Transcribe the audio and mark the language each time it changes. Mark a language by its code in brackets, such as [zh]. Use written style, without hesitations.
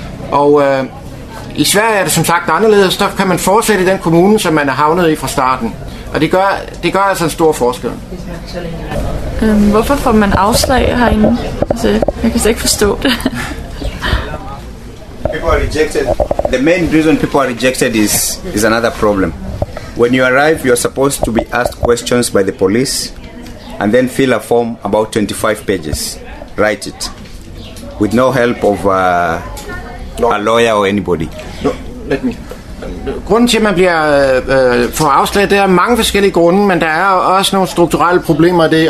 [da] Og i Sverige er det som sagt anderledes, der kan man fortsætte i den kommune, som man er havnet i fra starten. Og det gør altså en stor forskel. Hvorfor får man afslag herinde? Altså, jeg kan slet ikke forstå det. [en] People are rejected. The main reason people are rejected is another problem. When you arrive, you are supposed to be asked questions by the police and then fill a form about 25 pages. Write it. With no help of a lawyer or anybody. No, let me. [da] Grunden til, at man bliver får afslag, det er mange forskellige grunde, men der er også nogle strukturelle problemer i det.